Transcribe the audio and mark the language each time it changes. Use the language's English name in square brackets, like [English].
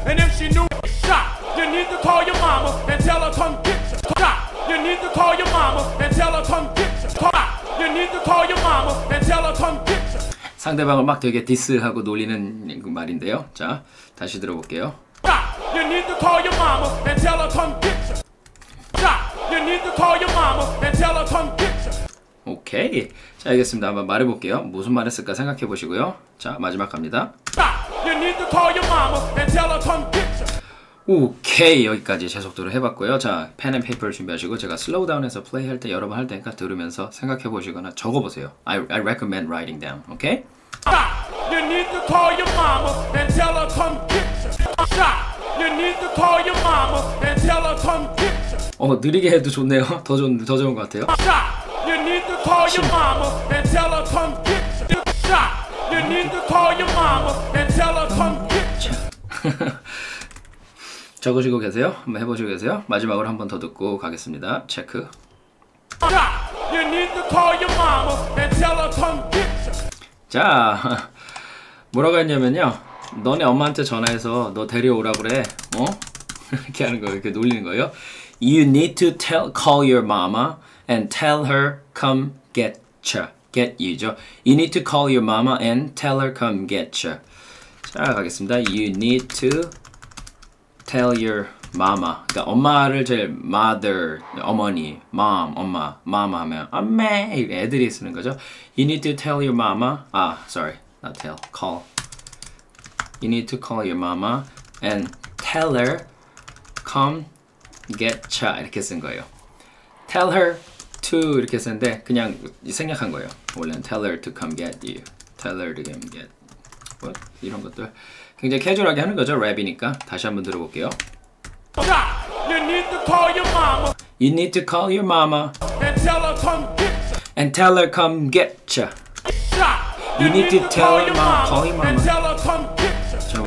[English] And if she knew shot, you need to call your mama and tell her come get you. You need to call your mama and tell her come get you. You need to call your mama and tell her come get you. [Korean] 상대방을 막 되게 디스하고 놀리는 그 말인데요. 자, 다시 들어볼게요. [English] You need to call your mama and tell her come get you. You need to call your mama and tell her come get you. [Korean] 오케이. 자, 알겠습니다. 한번 말해 볼게요. 무슨 말 했을까 생각해 보시고요. 자, 마지막 갑니다. [English] You need to call your mama and tell her come get you. [Korean] 오케이. 여기까지 제 속도로 해 봤고요. 자, 펜 앤 페이퍼를 준비하시고 제가 슬로우 다운해서 플레이 할 때 여러분 할 테니까 들으면서 생각해 보시거나 적어 보세요. [English] I recommend writing down. 오케이? You need to call your mama and tell her come get you. You need to call your mama and tell her come get you. [Korean] 느리게 해도 좋네요. 더 좋은 것 같아요. [English] You need to call your mama and tell her come get you. You need to call your mama and tell her come get you. [Korean] 적으시고 계세요? 한번 해보시고 계세요? 마지막으로 한번 더 듣고 가겠습니다. 체크. [English] You need to call your mama and tell her come get you. [Korean] 자, 뭐라고 했냐면요. 너네 엄마한테 전화해서 너 데려오라고 그래. 어? 이렇게 하는 거예요. 이렇게 놀리는 거예요. [English] You need to call your mama and tell her come get you. Get you죠. You need to call your mama and tell her come get you. [Korean] 자, 가겠습니다. [English] You need to tell your mama. [Korean] 그러니까 엄마를 제일 mother, 어머니, mom, 엄마, mama 하면 엄마, 애들이 쓰는 거죠. [English] You need to tell your mama. 아, sorry. Not tell. Call. You need to call your mama and tell her come get ya [Korean] 이렇게 쓴 거예요. [English] Tell her to [Korean] 이렇게 쓴데 그냥 생략한 거예요. 원래는 [English] tell her to come get you. Tell her to come get what? [Korean] 이런 것들 굉장히 캐주얼하게 하는 거죠. 랩이니까 다시 한번 들어볼게요. [English] You need to call your mama. You need to call your mama and tell her come get ya. And tell her come get ya. You need to tell your mama. Call your mama and tell her come get ya.